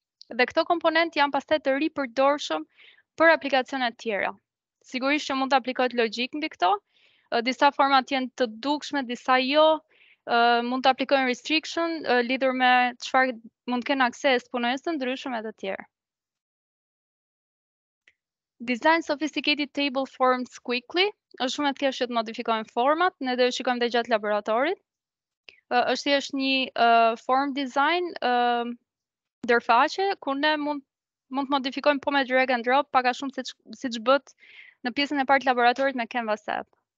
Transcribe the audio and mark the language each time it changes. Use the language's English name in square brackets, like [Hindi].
[Albanian] Dhe këto komponente janë pastaj të ripërdorshëm për aplikacione të tjera. Sigurisht që mund të aplikohet logjik mbi këto. Disa format janë të dukshme, disa jo, mund të aplikojnë restriction lidhur me çfarë mund të kenë akses punojës të ndryshëm e të tjerë. [English] Design sophisticated table forms quickly. [Albanian] Është shumë e thjeshtë të modifikojmë format, ne do të shikojmë dhe gjatë laboratorit. Është thjesht një form design ndërfaqe ku ne mund të modifikojmë po me drag and drop, pak a shumë siç bëhet në pjesën e partë laboratorit me Canvas app.